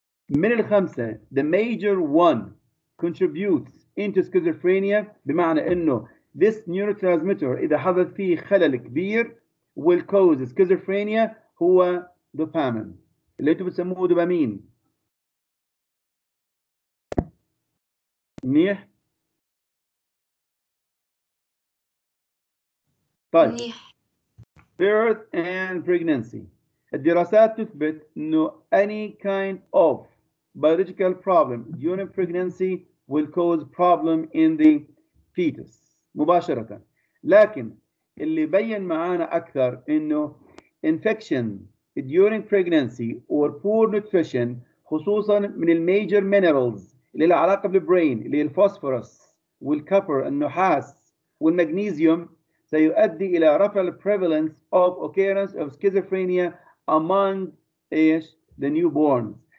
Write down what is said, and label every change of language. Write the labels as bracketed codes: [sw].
[ar] من الخمسة [en] the major one contributes into schizophrenia [ar] بمعنى إنه [en] this neurotransmitter [ar] إذا حصل فيه خلل كبير [en] will cause schizophrenia هو dopamine [ar] اللي أنتوا بتسموه دوبامين. منيح طيب [en] birth and pregnancy. [ar] الدراسات تثبت إنه [en] any kind of biological problem during pregnancy will cause problem in the fetus مباشرة. [ar] لكن اللي بين معانا أكثر إنه [en] infection during pregnancy or poor nutrition [ar] خصوصا من ال major minerals اللي له علاقة بالبرين اللي هي الفوسفورس والكبر النحاس والمغنيسيوم سيؤدي إلى رفع الـ [en] prevalence of occurrence of schizophrenia among the newborn.